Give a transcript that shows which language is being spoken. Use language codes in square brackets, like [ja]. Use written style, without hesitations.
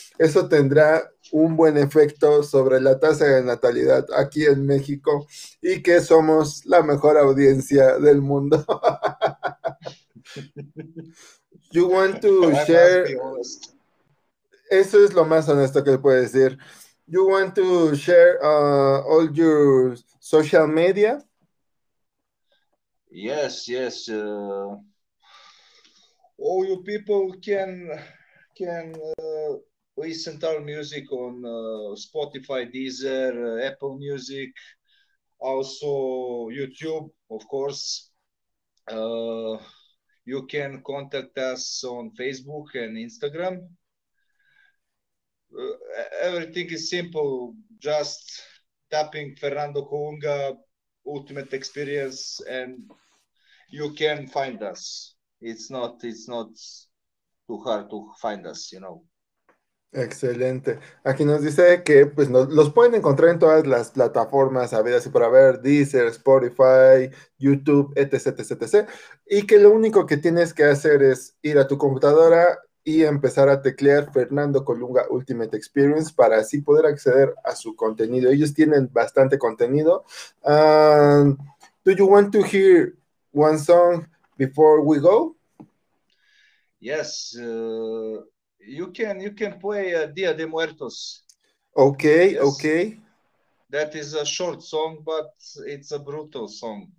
[es] Eso tendrá un buen efecto sobre la tasa de natalidad aquí en México y que somos la mejor audiencia del mundo. [en] You want to share, Let's [es] eso es lo más honesto que puede decir. [en] You want to share all your social media? be honest. Yes. All you people can listen to our music on Spotify, Deezer, Apple Music, also YouTube, of course. You can contact us on Facebook and Instagram. Everything is simple, just tapping Fernando Colunga Ultimate Experience and you can find us. It's not too hard to find us, you know. [es] Excelente. Aquí nos dice que pues los pueden encontrar en todas las plataformas habidas y por haber, Deezer, Spotify, YouTube, etc, etc, etc. Y que lo único que tienes que hacer es ir a tu computadora y empezar a teclear Fernando Colunga Ultimate Experience para así poder acceder a su contenido. Ellos tienen bastante contenido. [en] Do you want to hear one song before we go? Yes, you can play Dia de Muertos. Yes, Okay. that is a short song, but it's a brutal song.